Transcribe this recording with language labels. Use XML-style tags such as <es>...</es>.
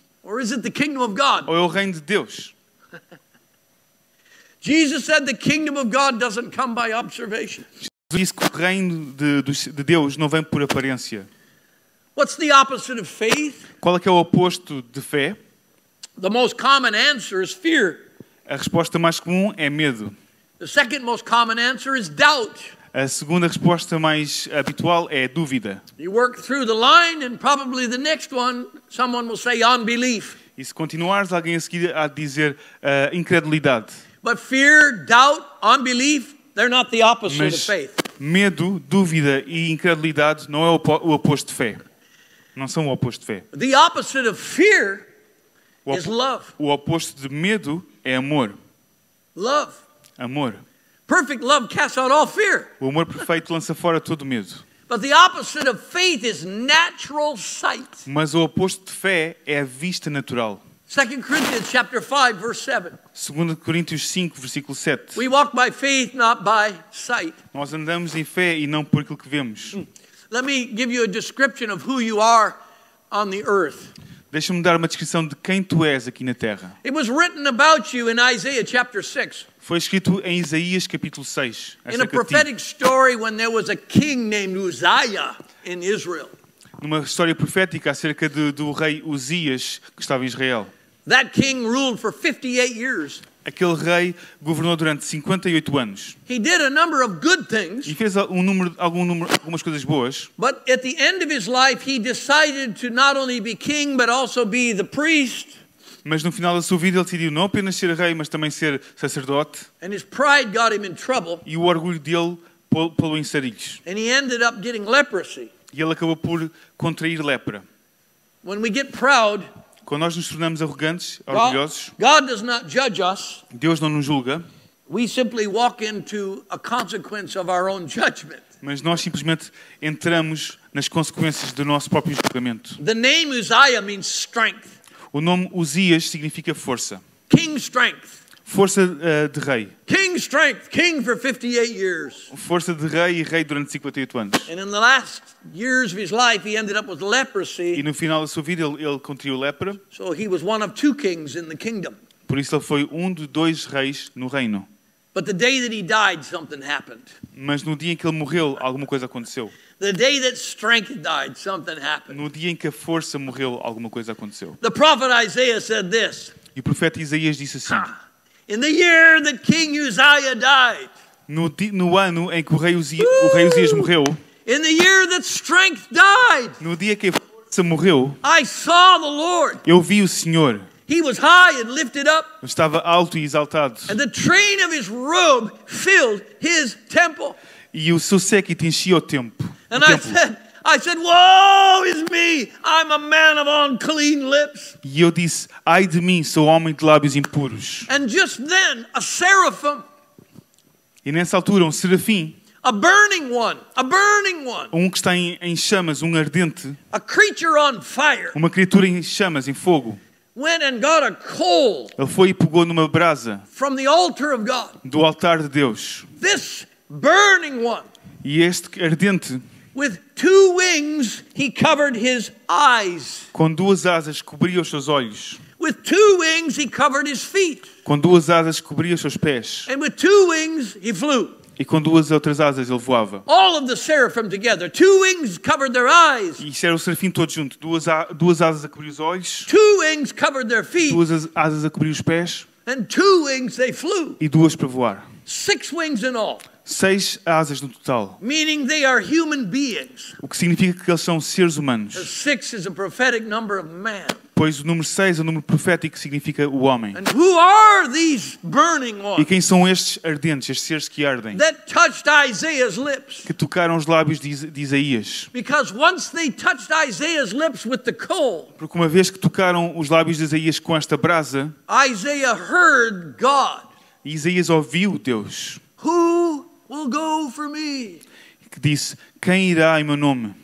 <en>Or is it the kingdom of God?</en> <pt>Ou é o reino de Deus?</pt> <en>Jesus said the kingdom of God doesn't come by observation.</en> <pt>Jesus disse que o reino de Deus não vem por aparência.</pt> <en>What's the opposite of faith?</en> <pt>Qual é que é o oposto de fé?</pt> <en>The most common answer is fear.</en> <pt>A resposta mais comum é medo.</pt> <en>The second most common answer is doubt.</en> <pt>A segunda resposta mais habitual é dúvida.</pt> <en>You work through the line and probably the next one someone will say unbelief.</en> <pt>E se continuares, alguém a seguir a dizer incredulidade.</pt> <en>But fear, doubt, unbelief, they're not the opposite</en> <pt>Mas</pt> <en>of faith.</en> <pt>Medo, dúvida e incredulidade não é o oposto de fé. Não são o oposto de fé.</pt> <en>The opposite of fear is love.</en> <pt>O oposto de medo é amor.</pt> <en>Love.</en> <pt>Amor.</pt> <en>Perfect love casts out all fear.</en> <pt>O amor perfeito lança fora todo medo.</pt> <en>But the opposite of faith is natural sight.</en> <pt>Mas o oposto de fé é a vista natural.</pt> <en>2 Corinthians chapter 5 verse 7.</en> <pt>2 Coríntios 5 versículo 7.</pt> <en>We walk by faith, not by sight.</en> <pt>Nós andamos em fé e não por aquilo que vemos.</pt> <en>Let me give you a description of who you are on the earth.</en> <pt>Deixa-me dar uma descrição de quem tu és aqui na terra.</pt> <en>It was written about you in Isaiah chapter 6.</en> <pt>Foi escrito em Isaías capítulo 6.</pt> <en>In a prophetic story when there was a king named Uzziah in Israel.</en> <pt>Numa história profética acerca do rei Uzias que estava em Israel.</pt> <en>That king ruled for 58 years.</en> <pt>Aquele rei governou durante 58 anos.</pt> <en>He did a number of good things.</en> <pt>E fez algumas coisas boas.</pt> <en>But at the end of his life he decided to not only be king but also be the priest.</en> <pt>Mas no final da sua vida ele decidiu não apenas ser rei mas também ser sacerdote.</pt> <en>And his pride got him in trouble.</en> <pt>E o orgulho dele pô-lo em sarilhos.</pt> <en>And he ended up getting leprosy.</en> <pt>E ele acabou por contrair lepra.</pt> <en>When we get proud,</en> <pt>quando nós nos tornamos arrogantes, orgulhosos,</pt> <en>God does not judge us.</en> <pt>Deus não nos julga.</pt> <en>We simply walk into a consequence of our own judgment.</en> <pt>Mas nós simplesmente entramos nas consequências do nosso próprio julgamento.</pt> <en>The name Uzziah means strength.</en> <pt>O nome Uzias significa força.</pt> <en>King strength.</en> <pt>Força de rei.</pt> <en>King strength, king for 58 years.</en> <pt>Força de rei e rei durante 58 anos.</pt> <en>And in the last years of his life, he ended up with leprosy.</en> <pt>E no final da sua vida ele contraiu lepra.</pt> <en>So he was one of two kings in the kingdom.</en> <pt>Por isso ele foi de dois reis no reino.</pt> <en>But the day that he died, something happened.</en> <pt>Mas no dia em que ele morreu, alguma coisa aconteceu.</pt> <en>The day that strength died, something happened.</en> <pt>No dia em que a força morreu, alguma coisa aconteceu.</pt> <en>The prophet Isaiah said this.</en> <pt>E o profeta Isaías disse assim.</pt> <en>In the year that King Uzziah died.</en> <pt>No ano em que o rei Uzias morreu.</pt> <en>In the year that strength died.</en> <pt>No dia que a força morreu.</pt> <en>I saw the Lord.</en> <pt>Eu vi o Senhor.</pt> <en>He was high and lifted up.</en> <pt>Estava alto e exaltado.</pt> <en>And the train of his robe filled his temple.</en> <pt>E o seu séquito enchia o templo.</pt> <en>And I said, woe is me, I'm a man of unclean lips.</en> <pt>E eu disse, ai de mim, sou homem de lábios impuros.</pt> <en>And just then, a seraphim.</en> <pt>E nessa altura, um serafim.</pt> <en>A burning one, a burning one.</en> <pt>Um que está em chamas, um ardente.</pt> <en>A creature on fire.</en> <pt>Uma criatura em chamas, em fogo.</pt> <en>Went and got a coal.</en> <pt>Ele foi e pegou numa brasa.</pt> <en>From the altar of God.</en> <pt>Do altar de Deus.</pt> <en>This burning one.</en> <pt>E este ardente.</pt> <en>With two wings, he covered his eyes.</en> <pt>Com duas asas, cobria os seus olhos.</pt> <en>With two wings, he covered his feet.</en> <pt>Com duas asas, cobria os seus pés.</pt> <en>And with two wings, he flew.</en> <pt>E com duas outras asas, ele voava.</pt> <en>All of the seraphim together, two wings covered their eyes.</en> <pt>E isso era o serafim todo junto, duas asas a cobrir os olhos.</pt> <en>Two wings covered their feet.</en> <pt>Duas asas a cobrir os pés.</pt> <en>And two wings, they flew.</en> <pt>E duas para voar.</pt> <en>Six wings in all.</en> <pt>Seis asas no total.</pt> <en>Meaning they are human beings.</en> <pt>O que significa que eles são seres humanos.</pt> <en>The six is a prophetic number of man.</en> <pt>Pois o número 6 é o número profético que significa o homem.</pt> <en>And who are these burning ones?</en> <pt>E quem são estes ardentes, estes seres que ardem?</pt> <en>That touched Isaiah's lips.</en> <pt>Que tocaram os lábios de Isaías.</pt> <en>Because once they touched Isaiah's lips with the coal,</en> <pt>porque uma vez que tocaram os lábios de Isaías com esta brasa,</pt> <en>Isaiah heard God.</en> <pt>Isaías ouviu Deus.</pt> <en>Who will go for me?</en> <pt>Que disse, quem irá em meu nome?</pt>